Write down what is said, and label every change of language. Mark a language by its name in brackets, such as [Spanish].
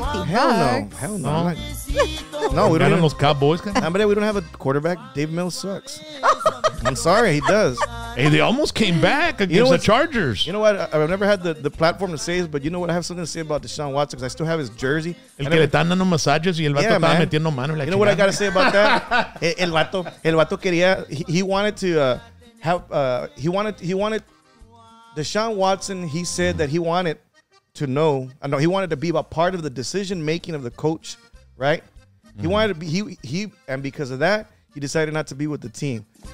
[English] bucks? Hell no. No, we don't. Los Cowboys. We don't have a quarterback. Dave Mills sucks. I'm sorry, he does. Hey, they almost came back against the Chargers. You know what? I've never had the platform to say this, but you know what? I have something to say about Deshaun Watson because I still have his jersey. [Spanish] El que le están dando masajes y el vato estaba metiendo mano en la. [English] You know what I got to say about that? [Spanish] El vato quería. [English] He wanted. Deshaun Watson, he said that he wanted to know. I know he wanted to be a part of the decision making of the coach, right? Mm-hmm. He wanted to be he, and because of that, he decided not to be with the team.